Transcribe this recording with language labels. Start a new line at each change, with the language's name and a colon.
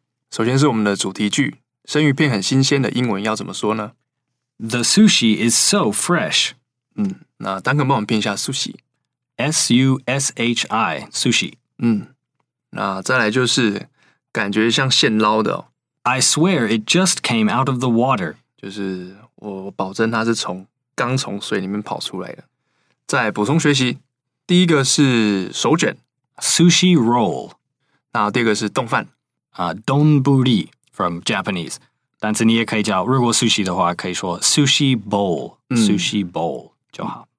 Chinese: 首先是我们的主题句，生鱼片很新鲜的英文要怎么说呢
English: ？The sushi is so fresh.
Chinese: 嗯。那丹肯帮我们拼一下 sushi，
English: S-U-S-H-I， sushi。
Chinese: 嗯，那再来就是感觉像现捞的、
English: I swear it just came out of the water，
Chinese: 就是我保证它是刚从水里面跑出来的。再补充学习，第一个是手卷
English: sushi roll，
Chinese: 那第二个是冻饭啊
English: donburi from Japanese，
Chinese: 但是你也可以叫，如果 sushi 的话可以说 sushi bowl、sushi bowl就好，